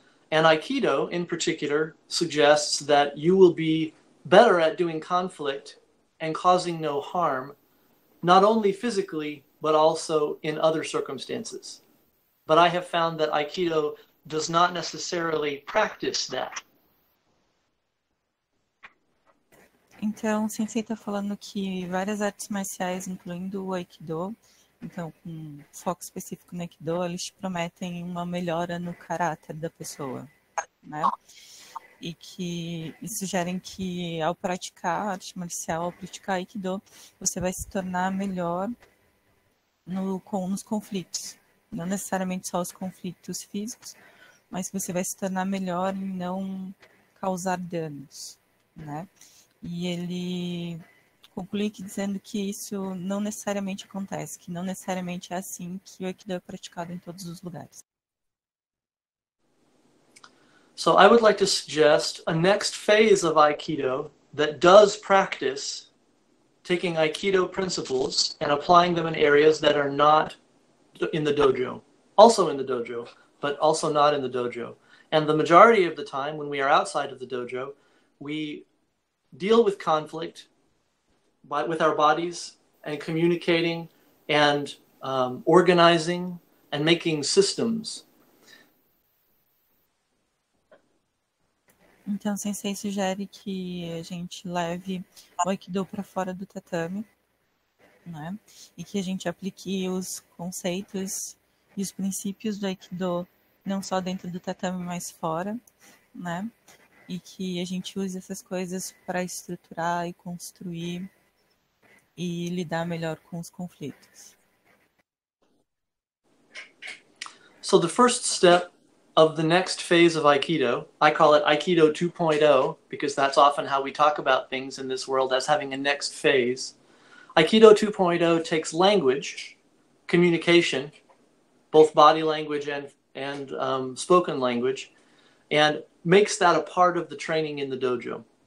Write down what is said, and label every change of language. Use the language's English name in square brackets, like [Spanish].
[English] And Aikido, in particular, suggests that you will be better at doing conflict and causing no harm, not only physically, but also in other circumstances. But I have found that Aikido does not necessarily practice that. [Portuguese] Então, o Sensei está falando que várias artes marciais, incluindo o Aikido, então, com foco específico no Aikido, eles prometem uma melhora no caráter da pessoa, né? E que sugerem que ao praticar arte marcial, ao praticar Aikido, você vai se tornar melhor nos conflitos. Não necessariamente só os conflitos físicos, mas que você vai se tornar melhor em não causar danos, né? E ele conclui que dizendo que isso não necessariamente acontece, que não necessariamente é assim que o Aikido é praticado em todos os lugares. [English] So I would like to suggest a next phase of Aikido that does practice taking Aikido principles and applying them in areas that are not in the dojo. Also in the dojo, but also not in the dojo. And the majority of the time when we are outside of the dojo, we deal with conflict with our bodies and communicating and organizing and making systems. [Portuguese] Então, o Sensei sugere que a gente leve o Aikido para fora do tatame, né? E que a gente aplique os conceitos e os princípios do Aikido não só dentro do tatame, mas fora, né? E que a gente use essas coisas para estruturar e construir e lidar melhor com os conflitos. [English] So the first step of the next phase of Aikido, I call it Aikido 2.0, because that's often how we talk about things in this world as having a next phase. Aikido 2.0 takes language, communication, both body language and spoken language, and makes that a part of the training in the dojo.